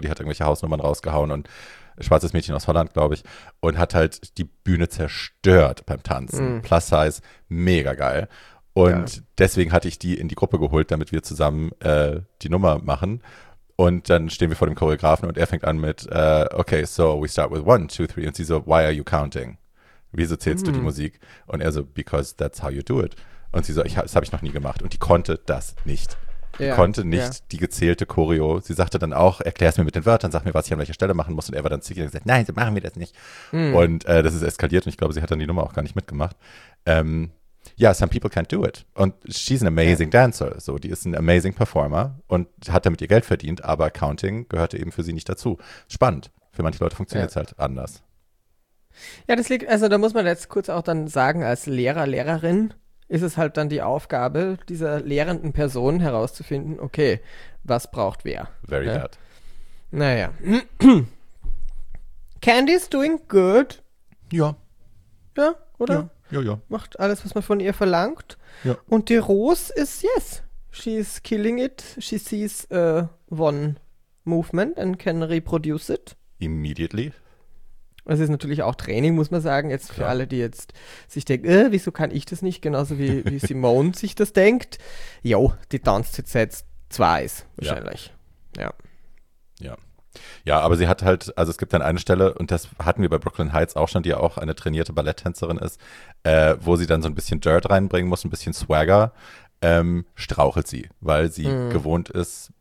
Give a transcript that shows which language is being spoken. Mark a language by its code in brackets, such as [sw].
[de] Die hat irgendwelche Hausnummern rausgehauen und schwarzes Mädchen aus Holland, glaube ich, und hat halt die Bühne zerstört beim Tanzen. Mm. Plus Size, mega geil. Und deswegen hatte ich die in die Gruppe geholt, damit wir zusammen die Nummer machen. Und dann stehen wir vor dem Choreografen und er fängt an mit, okay, [en] so we start with 1, 2, 3. [de] Und sie so, [en] why are you counting? [de] Wieso zählst du die Musik? Und er so, [en] because that's how you do it. [de] Und sie so, das habe ich noch nie gemacht. Und die konnte das nicht. Die konnte nicht die gezählte Choreo. Sie sagte dann auch, erklär es mir mit den Wörtern, sag mir, was ich an welcher Stelle machen muss. Und er war dann zickig und gesagt, nein, so machen wir das nicht. Mm. Und das ist eskaliert und ich glaube, sie hat dann die Nummer auch gar nicht mitgemacht. [en] Ja, some people can't do it. Und she's an amazing dancer. [de] So, die ist ein [en] amazing performer [de] und hat damit ihr Geld verdient, aber Counting gehörte eben für sie nicht dazu. Spannend. Für manche Leute funktioniert es halt anders. Ja, das liegt, also da muss man jetzt kurz auch dann sagen, als Lehrer, Lehrerin ist es halt dann die Aufgabe dieser lehrenden Person herauszufinden, okay, was braucht wer? [en] Very bad. [de] Naja. [en] Candy's doing good. [de] Ja. Ja, oder? Ja. Ja, ja. Macht alles, was man von ihr verlangt. Ja. Und die Rose ist, [en] yes, she's killing it. She sees one movement and can reproduce it. Immediately. [de] Es ist natürlich auch Training, muss man sagen. Jetzt für alle, die jetzt sich denken, wieso kann ich das nicht? Genauso wie Simone sich das denkt. Jo, die tanzt jetzt zwei wahrscheinlich. Ja. Ja. Ja, aber sie hat halt, also es gibt dann eine Stelle und das hatten wir bei Brooklyn Heights auch schon, die ja auch eine trainierte Balletttänzerin ist, wo sie dann so ein bisschen Dirt reinbringen muss, ein bisschen Swagger, strauchelt sie, weil sie gewohnt ist,